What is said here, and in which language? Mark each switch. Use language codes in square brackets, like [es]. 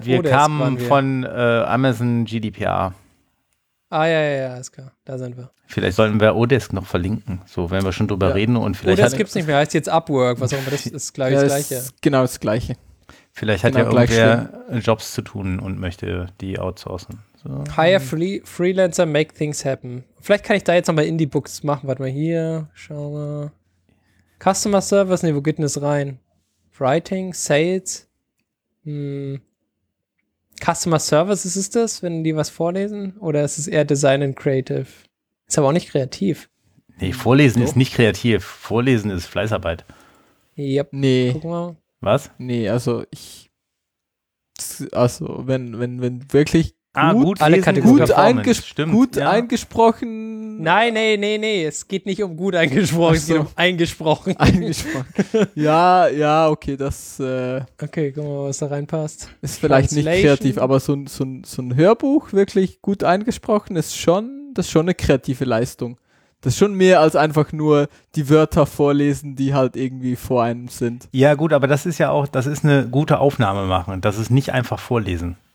[de] Wir kamen von Amazon GDPR. Ah, ja, ja, ja, ist klar. Da sind wir. Vielleicht sollten wir Odesk noch verlinken. So, wenn wir schon drüber reden. Und vielleicht Odesk gibt es nicht mehr. Heißt jetzt Upwork. Was auch immer. Das ist gleich das Gleiche. Ist genau das Gleiche. Vielleicht hat genau ja irgendwer Jobs zu tun und möchte die outsourcen. So. [en] Hire Freelancer, make things happen. [de] Vielleicht kann ich da jetzt nochmal Indie-Books machen. Warte mal hier. Schau mal. Customer Service. Nee, wo geht denn das rein? Writing, Sales. Customer Services ist das, wenn die was vorlesen? Oder ist es eher Design and Creative? Ist aber auch nicht kreativ. Nee, vorlesen ist nicht kreativ. Vorlesen ist Fleißarbeit. [en] Yep. [de] Nee. Guck mal. Was? Nee, also ich. Also, wenn wirklich gut, alle lesen, gut, eingesprochen. Nein, nee. Es geht nicht um gut eingesprochen, es geht um eingesprochen. Eingesprochen. Ja, ja, okay, das. Okay, guck mal, was da reinpasst. Ist vielleicht nicht kreativ, aber so ein Hörbuch wirklich gut eingesprochen ist schon, das ist schon eine kreative Leistung. Das ist schon mehr als einfach nur die Wörter vorlesen, die halt irgendwie vor einem sind. Ja, gut, aber das ist ja auch, das ist eine gute Aufnahme machen. Das ist nicht einfach vorlesen.